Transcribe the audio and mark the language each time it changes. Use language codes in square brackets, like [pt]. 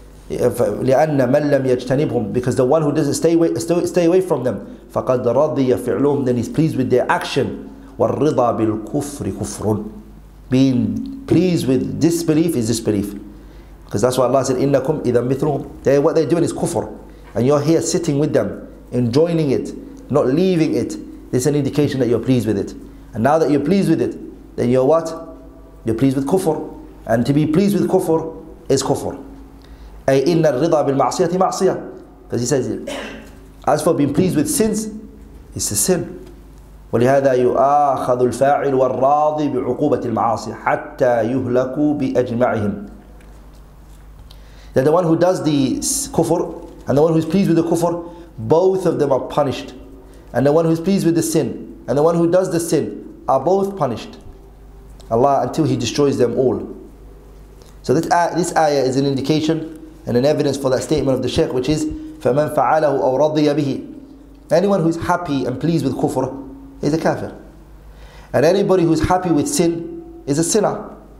[en] يجتنبهم because the one who doesn't stay away from them [ar] فقد رضي فعلهم [en] then he's pleased with their action [ar] والرضا بالكفر كفر [en] being pleased with disbelief is disbelief because that's why Allah said [ar] إنكم إذا مثلهم [en] what they're doing is كفر and you're here sitting with them enjoying it not leaving it. This is an indication that you're pleased with it. And now that you're pleased with it, then you're what? You're pleased with kufr. And to be pleased with kufr is kufr. [ar] أي إن الرضا بالمعصية معصية. [en] Because he says, as for being pleased with sins, it's a sin. [ar] ولهذا يؤاخذ الفاعل والراضي بعقوبة المعاصي حتى يهلكوا بأجمعهم. [en] That the one who does the kufr and the one who is pleased with the kufr, both of them are punished. And the one who is pleased with the sin and the one who does the sin are both punished. Allah, until he destroys them all. So this ayah is an indication and an evidence for that statement of the Shaykh, which is, [ar] فَمَنْ فَعَالَهُ أَوْ رَضِيَ بِهِ [en] anyone who is happy and pleased with kufr is a kafir. And anybody who is happy with sin is a sinner.